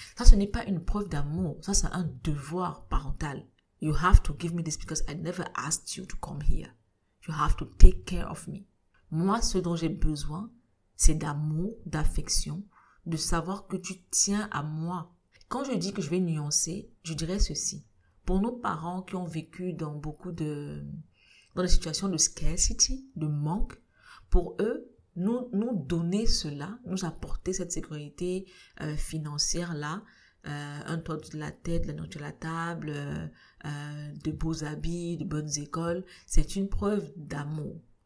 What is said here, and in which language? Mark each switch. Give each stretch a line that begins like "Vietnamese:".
French: Ça, ce n'est pas une preuve d'amour, ça, c'est un devoir parental.
English: You have to give me this because I never asked you to come here. You have to take care of me.
French: Moi, ce dont j'ai besoin, c'est d'amour, d'affection, de savoir que tu tiens à moi. Quand je dis que je vais nuancer, je dirais ceci. Pour nos parents qui ont vécu dans beaucoup de... dans des situations de scarcity, de manque, pour eux, nous donner cela, nous apporter cette sécurité financière-là, un toit de la tête, de la nourriture à la table, de beaux habits, de bonnes écoles, c'est une preuve d'amour.